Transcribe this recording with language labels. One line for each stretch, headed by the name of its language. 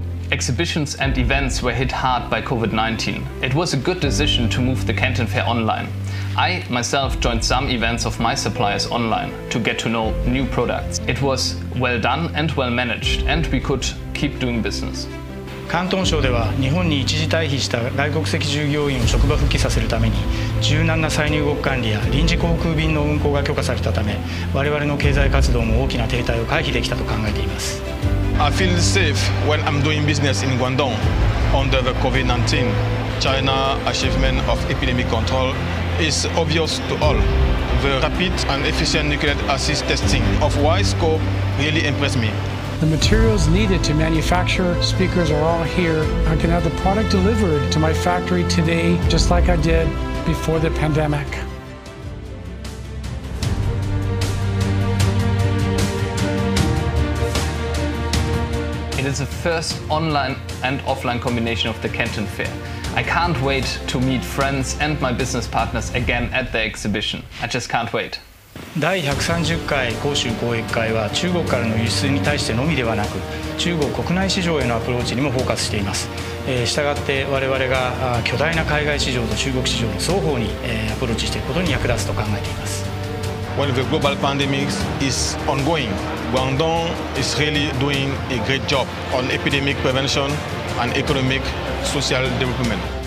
English: Exhibitions and events were hit hard by COVID-19. It was a good decision to move the Canton Fair online. I myself joined some events of my suppliers online to get to know new products. It was well done and well managed, and we could keep doing business.
Japanese: 広東省では日本に一時退避した外国籍従業員を職場復帰させるために柔軟な再入国管理や臨時航空便の運航が許可されたため我々の経済活動も大きな停滞を回避できたと考えています。
English: I feel safe when I'm doing business in Guangdong under the COVID-19. China achievement of epidemic control is obvious to all. The rapid and efficient nuclear acid testing of wide scope really impressed me. The materials needed to manufacture speakers are all here. I can have the product delivered to my factory today, just like I did before the pandemic. It is the first online and offline combination of the Canton Fair. I can't wait to meet friends and my business partners again at the exhibition. I just can't wait.
Japanese: 第130回広州交易会は中国からの輸出に対してのみではなく、中国国内市場へのアプローチにもフォーカスしています。したがって我々が巨大な海外市場と中国市場の双方にアプローチしていくことに役立つと考えています。
English: While the global pandemic is ongoing, Guangdong is really doing a great job on epidemic prevention and economic social development.